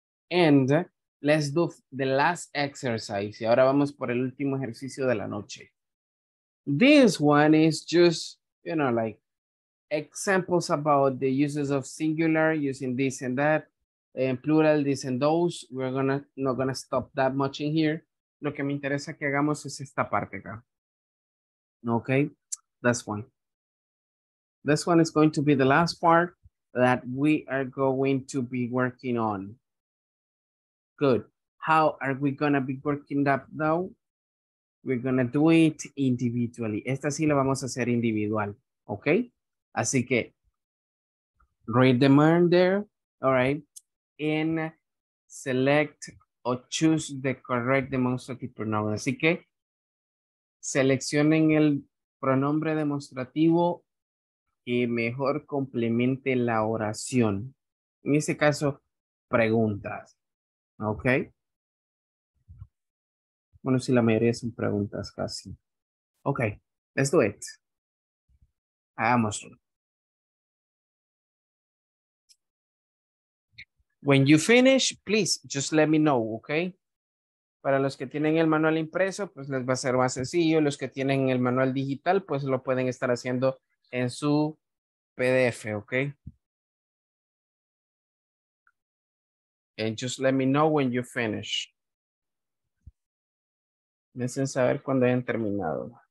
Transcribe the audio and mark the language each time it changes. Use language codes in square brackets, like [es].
[en] And let's do the last exercise. [es] Y ahora vamos por el último ejercicio de la noche. [en] This one is just, you know, like examples about the uses of singular, using this and that. [es] En plural, dicen [en] those. We're not gonna stop that much in here. [es] Lo que me interesa que hagamos es esta parte acá. [en] Okay, this one. This one is going to be the last part that we are going to be working on. Good. How are we gonna be working that though? We're gonna do it individually. [es] Esta sí la vamos a hacer individual. Okay? Así que, [en] read the man there. All right. And select or choose the correct demonstrative pronoun. [es] Así que seleccionen el pronombre demostrativo que mejor complemente la oración. En ese caso, preguntas. Ok. Bueno, si la mayoría son preguntas casi. Ok, [en] let's do it. [es] Hagámoslo. [en] When you finish, please just let me know, okay? [es] Para los que tienen el manual impreso, pues les va a ser más sencillo. Los que tienen el manual digital, pues lo pueden estar haciendo en su PDF, okay? [en] And just let me know when you finish. [es] Necesito saber cuando hayan terminado.